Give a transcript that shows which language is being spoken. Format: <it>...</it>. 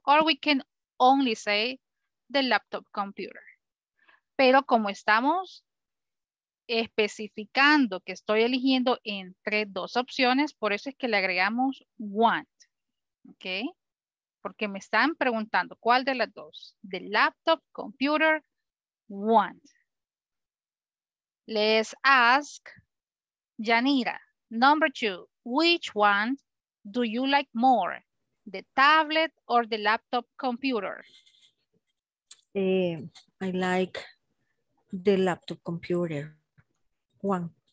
<en>Or we can only say the laptop computer.</en> <es>Pero como estamos especificando que estoy eligiendo entre dos opciones, por eso es que le agregamos want. ¿Ok? Porque me están preguntando cuál de las dos.</es> <en>The laptop computer, want. Let's ask Yanira, number two, which one do you like more? The tablet or the laptop computer? I like the laptop computer. One.</en>